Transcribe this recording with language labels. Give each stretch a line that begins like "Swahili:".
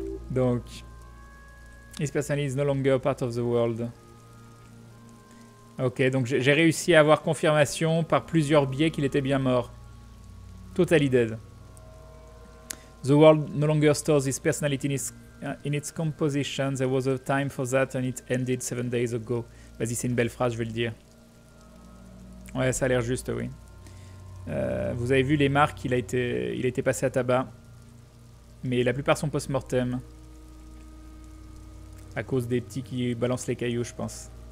English: Donc, his personality is no longer part of the world.
French: Ok, donc j'ai réussi à avoir confirmation par plusieurs biais qu'il était bien mort.
English: Totally dead. The world no longer stores his personality in its composition. There was a time for that and it ended 7 days ago.
French: Vas-y, c'est une belle phrase, je vais le dire. Ouais, ça a l'air juste, oui. Vous avez vu les marques, il a été passé à tabac. Mais la plupart sont post-mortem. À cause des petits qui balancent les cailloux, je pense.